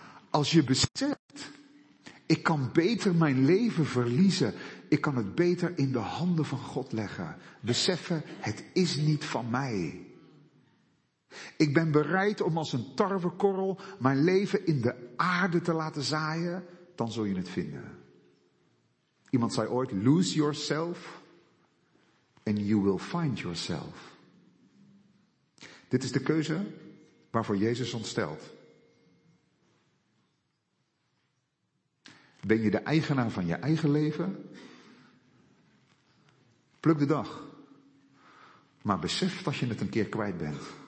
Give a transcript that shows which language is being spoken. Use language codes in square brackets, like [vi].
[nl] Als je beseft, ik kan beter mijn leven verliezen. Ik kan het beter in de handen van God leggen. Beseffen, het is niet van mij. Ik ben bereid om als een tarwekorrel mijn leven in de aarde te laten zaaien. Dan zul je het vinden. Iemand zei ooit, [en] lose yourself and you will find yourself. [nl] Dit is de keuze waarvoor Jezus ons stelt. Ben je de eigenaar van je eigen leven? Pluk de dag. Maar besef dat je het een keer kwijt bent.